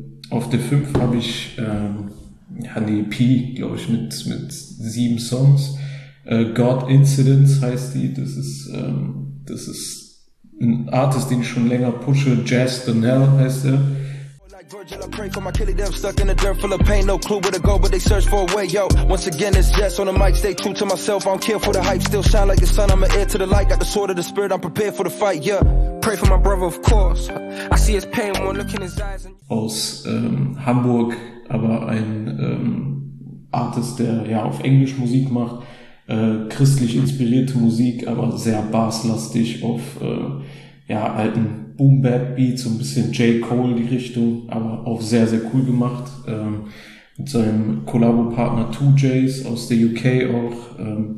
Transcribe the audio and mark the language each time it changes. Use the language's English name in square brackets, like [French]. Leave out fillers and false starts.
[German] Auf der 5 habe ich eine EP, glaube ich, mit 7 Songs. God Incidents heißt die. Das ist ein Artist, den ich schon länger pushe. Jazz Donnell heißt er. [English] Virgil, I pray for my kitty, them stuck in the dirt full of pain. No clue where to go, but they search for a way, yo. Once again, it's Jess on the mic, stay true to myself. I don't care for the hype, still shine like the sun. I'm an heir to the light, got the sword of the spirit. I'm prepared for the fight, yeah. Pray for my brother, of course. I see his pain when I look in his eyes. [German] Aus Hamburg, aber ein Artist, der ja auf Englisch Musik macht. Christlich inspirierte Musik, aber sehr basslastig auf alten Boom-Bap-Beats, so ein bisschen J. Cole die Richtung, aber auch sehr, sehr cool gemacht. Mit seinem Kollabo-Partner 2Js aus der UK auch.